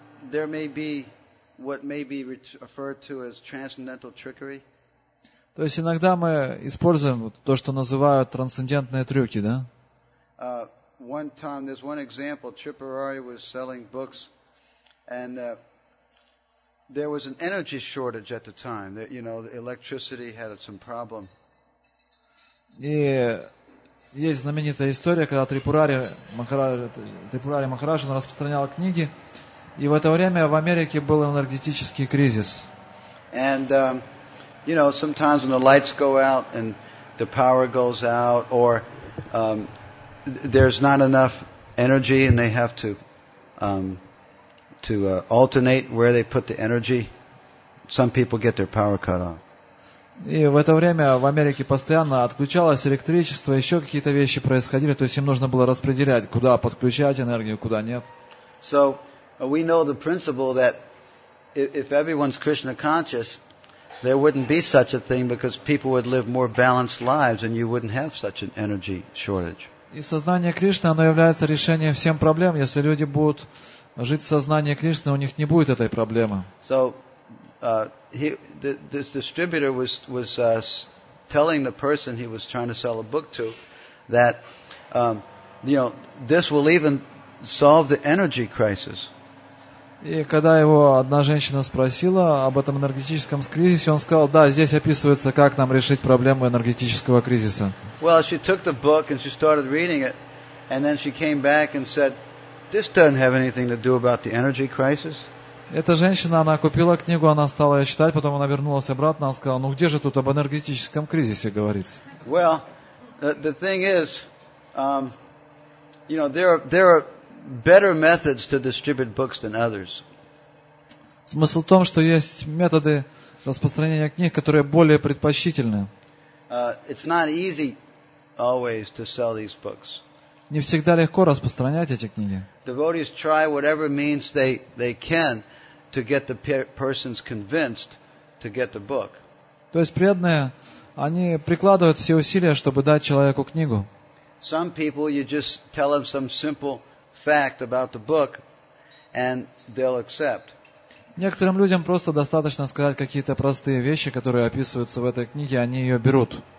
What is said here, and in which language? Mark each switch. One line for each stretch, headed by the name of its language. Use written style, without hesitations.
English: There may be what may be referred to as transcendental trickery.
Russian: То есть иногда мы используем то, что называют трансцендентные трюки, да?
English: One time, there's one example. Tripurari was selling books, and there was an energy shortage at the time. You know, the electricity had some problem.
Russian: И Есть знаменитая история, когда Трипурари Махарадж распространял книги, и в это время в Америке был энергетический кризис.
English: And you know, sometimes when the lights go out and the power goes out, or there's not enough energy, and they have to alternate where they put the energy. Some people get their power cut off.
Russian: И в это время в Америке постоянно отключалось электричество, еще какие-то вещи происходили, то есть им нужно было распределять, куда подключать энергию, куда нет.
English: So we know the principle that if everyone's Krishna conscious, there wouldn't be such a thing, because people would live more balanced lives and you wouldn't have such an energy shortage.
Russian: И сознание Кришны, оно является решением всем проблем. Если люди будут жить в сознании Кришны, у них не будет этой проблемы.
English: So, this distributor was telling the person he was trying to sell a book to that, you know, this will even solve the energy crisis.
Russian: И когда его одна женщина спросила об этом энергетическом кризисе, он сказал: да, здесь описывается, как нам решить проблему энергетического кризиса.
English: Well, she took the book and she started reading it, and then she came back and said, this doesn't have anything to do about the energy crisis.
Russian: Эта женщина, она купила книгу, она стала ее читать, потом она вернулась обратно, она сказала: ну где же тут об энергетическом кризисе говорится?
English: Well, the thing is, you know, there are better methods to distribute books than others.
Russian: Смысл в том, что есть методы распространения книг, которые более предпочтительны.
English: It's not easy always to sell these books.
Russian: Не всегда легко распространять эти книги.
English: Devotees try whatever means they can to get the persons convinced to get the book.
Russian: То есть преданные, они прикладывают все усилия, чтобы дать человеку книгу.
English: Some people, you just tell them some simple fact about the book and they'll accept.
Russian: Некоторым людям просто достаточно сказать какие-то простые вещи, которые описываются в этой книге, они ее берут.